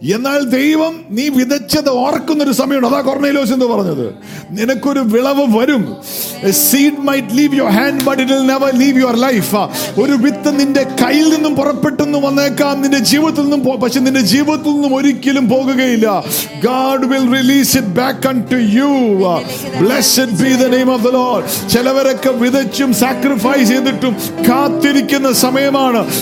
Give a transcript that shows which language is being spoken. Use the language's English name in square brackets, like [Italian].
[Malayalam] എന്നാൽ ദൈവം നീ വിതച്ചത് ഓർക്കുന്ന ഒരു സമയമാണ്. അതാ കൊർണേലിയോസ് എന്ന് പറഞ്ഞത്, നിനക്കൊരു വിളവ് വരും. [English] A seed might leave your hand but it'll never leave your life. [Malayalam] ഒരു വിത്ത് നിന്റെ കയ്യിൽ നിന്നും പുറപ്പെട്ടു വന്നേക്കാം, നിന്റെ ജീവിതത്തിൽ നിന്നും, പക്ഷേ നിന്റെ ജീവിതത്തിൽ നിന്നും ഒരിക്കലും പോകുകയില്ല. [English] God will release it back unto you. Blessed be the name of the Lord. [Malayalam] ചിലവരൊക്കെ വിതച്ചും സാക്രിഫൈസ് ചെയ്തിട്ടും കാത്തിരിക്കുന്ന സമയമാണ്.